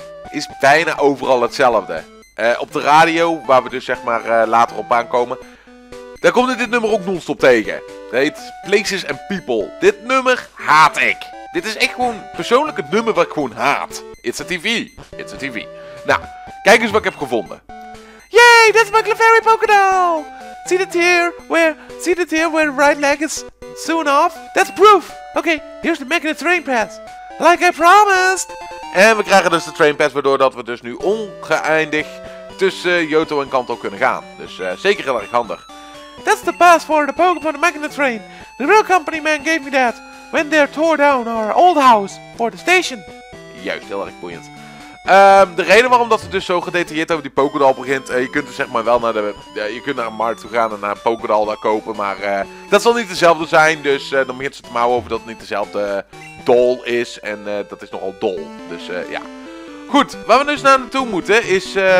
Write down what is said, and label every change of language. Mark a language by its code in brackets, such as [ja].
[nl] Is bijna overal hetzelfde. Op de radio, waar we dus zeg maar later op aankomen. Daar komt dit nummer ook non-stop tegen. Dat heet Places and People. Dit nummer haat ik. Dit is echt gewoon persoonlijk het nummer wat ik gewoon haat. [en] It's a TV. It's a TV. [nl] Nou, kijk eens wat ik heb gevonden. [en] Yay, that's my Clefairy Pokédoll. See it here where the right leg is soon off? That's proof. Okay, here's the Magnet Train Pass. Like I promised. [nl] En we krijgen dus de Train Pass, waardoor dat we dus nu ongeëindigd tussen Johto en Kanto kunnen gaan. Dus zeker heel erg handig. [en] That's the pass for the Pokémon Magnet Train. The real company man gave me that. When they tore down our old house for the station. [nl] Juist, heel erg boeiend. De reden waarom dat het dus zo gedetailleerd over die Pokédoll begint. Je kunt dus zeg maar wel naar de. Je kunt naar een markt toe gaan en naar een Pokédoll daar kopen. Maar dat zal niet dezelfde zijn. Dus dan begint ze te mouwen over dat het niet dezelfde doll is. En dat is nogal dol. Dus ja. Goed, waar we dus naartoe moeten is.